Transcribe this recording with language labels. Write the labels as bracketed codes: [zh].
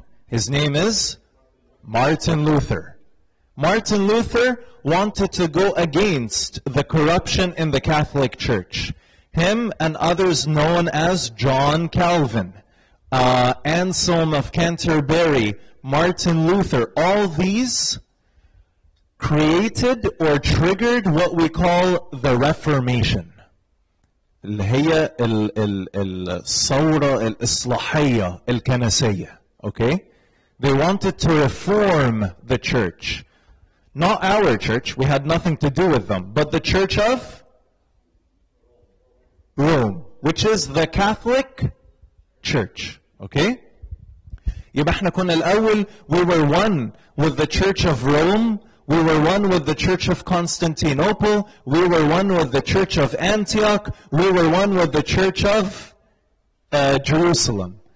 [en] His name is Martin Luther. Martin Luther wanted to go against the corruption in the Catholic Church. Him and others known as John Calvin, Anselm of Canterbury, Martin Luther, all these created or triggered what we call the Reformation. [ar] الهي الثورة الإصلاحية الكنسية. [en] Okay? They wanted to reform the church. Not our church, we had nothing to do with them, but the Church of Rome, which is the Catholic Church. Okay? [ar] يبقى احنا كنا الأول, [en] we were one with the Church of Rome, we were one with the Church of Constantinople, we were one with the Church of Antioch, we were one with the Church of Jerusalem.